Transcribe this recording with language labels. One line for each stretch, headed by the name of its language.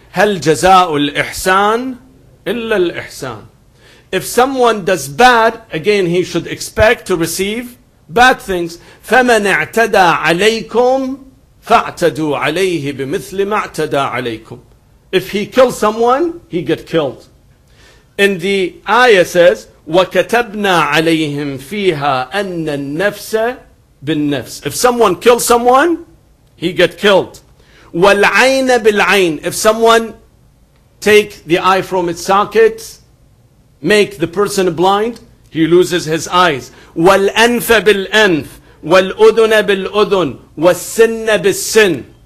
Arabic: هَلْ جَزَاءُ الْإِحْسَانِ إِلَّا الْإِحْسَانِ.
English: If someone does bad, again, he should expect to receive bad things.
Arabic: فَمَنْ اَعْتَدَى عَلَيْكُمْ فَاَعْتَدُوا عَلَيْهِ بِمِثْلِ مَا اَعْتَدَى عَلَيْكُمْ.
English: If he kills someone, he get killed. And the ayah says,
Arabic: وَكَتَبْنَا عَلَيْهِمْ فِيهَا أَنَّ النَّفْسَ بِالنَّفْسِ.
English: If someone kills someone, he get killed.
Arabic: وَالْعَيْنَ بِالْعَيْنِ.
English: If someone take the eye from its socket, make the person blind, he loses his eyes.
Arabic: وَالْأَنْفَ بِالْأَنْفِ وَالْأُذُنَ بِالْأُذُنِ وَالسِّنَّ بِالسِّنِ.